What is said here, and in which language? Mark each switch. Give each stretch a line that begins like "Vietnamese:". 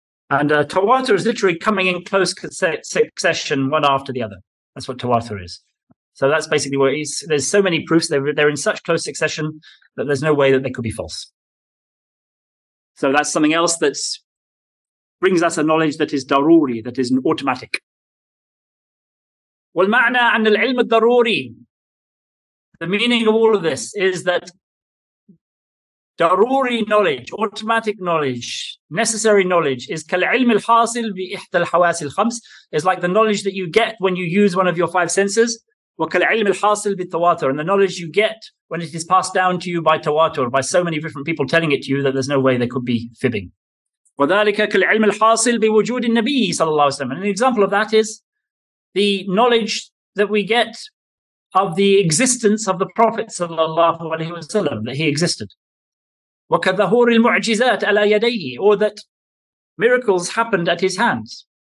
English: And tawatur is literally coming in close succession one after the other. That's what tawatur is. So that's basically where there's so many proofs, they're in such close succession that there's no way that they could be false. So that's something else that brings us a knowledge that is daruri, that is automatic.
Arabic: والمعنى أن العلم الضروري.
English: The meaning of all of this is that daruri knowledge, automatic knowledge, necessary knowledge is
Arabic: كالعلم الحاصل بإحدى الحواس الخمس,
English: is like the knowledge that you get when you use one of your five senses,
Arabic: وكالعلم الحاصل بالتواتر,
English: and the knowledge you get when it is passed down to you by tawatur, by so many different people telling it to you that there's no way they could be fibbing.
Arabic: وذلك كالعلم الحاصل بوجود النبي صلى الله عليه وسلم.
English: And an example of that is the knowledge that we get of the existence of the Prophet sallallahu alaihi wasallam, that he existed.
Arabic: وَكَذَهُورِ الْمُعْجِزَاتِ عَلَى يَدَيْهِ,
English: or that miracles happened at his hands.